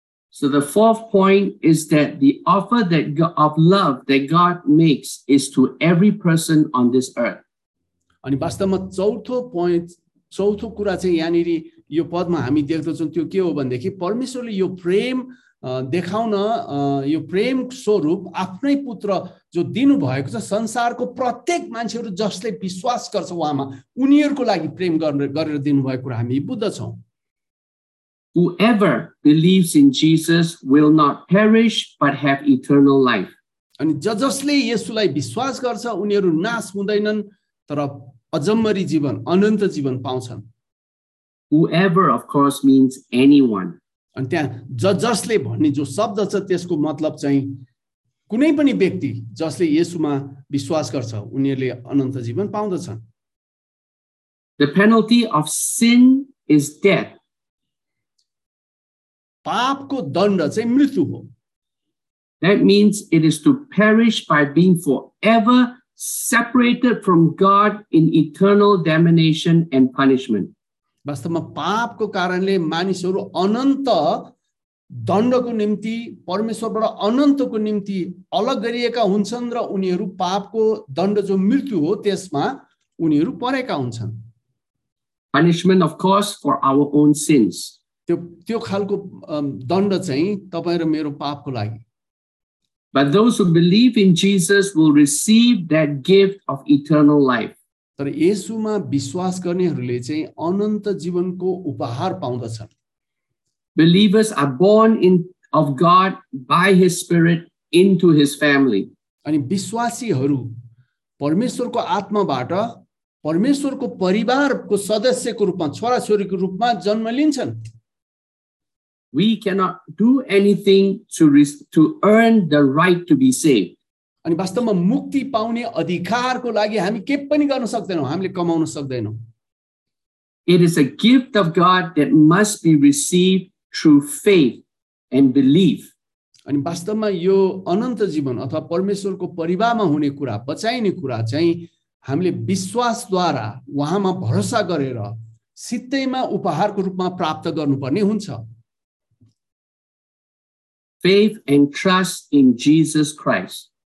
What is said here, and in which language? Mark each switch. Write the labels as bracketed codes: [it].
[en] So the fourth point is that the offer that of love that God makes is to every person on this earth. [ne] अनि वास्तवमा चौथो point, चौथो कुरा चाहिँ यहाँनिर यो पदमा हामी देख्दछौँ त्यो के हो भनेदेखि, परमेश्वरले यो प्रेम देखाउन, यो प्रेम स्वरूप आफ्नै पुत्र जो दिनुभएको छ संसारको प्रत्येक मान्छेहरू जसले विश्वास गर्छ उहाँमा उनीहरूको लागि प्रेम गरेर दिनुभएको कुरा हामी बुझ्दछौँ. [en] Whoever believes in Jesus will not perish but have eternal life. [ne] अनि जसले येशूलाई विश्वास गर्छ उनीहरू नाश हुँदैनन् तर अजम्मरी जीवन, अनन्त जीवन पाउँछन्. [en] Whoever of course means anyone. [ne] अनि त्यहाँ जसले भन्ने जो शब्द छ त्यसको मतलब चाहिँ कुनै पनि व्यक्ति जसले येशूमा विश्वास गर्छ उनीहरूले अनन्त जीवन पाउँदछन्. [en] The penalty of sin is death. [ne] पापको दण्ड चाहिँ मृत्यु हो. [en] That means it is to perish by being forever separated from God in eternal damnation and punishment. [ne] वास्तवमा पापको कारणले मानिसहरू अनन्त दण्डको निम्ति, परमेश्वरबाट अनन्तको निम्ति अलग गरिएका हुन्छन् र उनीहरू पापको दण्ड जो मृत्यु हो त्यसमा उनीहरू परेका हुन्छन्. [en] Punishment of course for our own sins. [ne] त्यो त्यो खालको दण्ड चाहिँ तपाईँ र मेरो पापको लागि. [en] But those who believe in Jesus will receive that gift of eternal life. [ne] तर येशूमा विश्वास गर्नेहरूले चाहिँ अनन्त जीवनको उपहार पाउँदछन्. [en] Believers are born in of God by his spirit into his family. [ne] अनि विश्वासीहरू परमेश्वरको आत्माबाट परमेश्वरको परिवारको सदस्यको रूपमा, छोरा छोरीको रूपमा जन्म लिन्छन्. [en] We cannot do anything to earn the right to be saved. [ne] अनि वास्तवमा मुक्ति पाउने अधिकारको लागि हामी के पनि गर्न सक्दैनौँ, हामीले कमाउन सक्दैनौँ. [en] It is a gift of God that must be received through faith and belief. [ne] अनि वास्तवमा यो अनन्त जीवन अथवा परमेश्वरको परिवारमा हुने कुरा, बचाइने कुरा चाहिँ हामीले विश्वासद्वारा उहाँमा भरोसा गरेर सित्तैमा उपहारको रूपमा प्राप्त गर्नुपर्ने हुन्छ. [en] Faith and trust in Jesus Christ.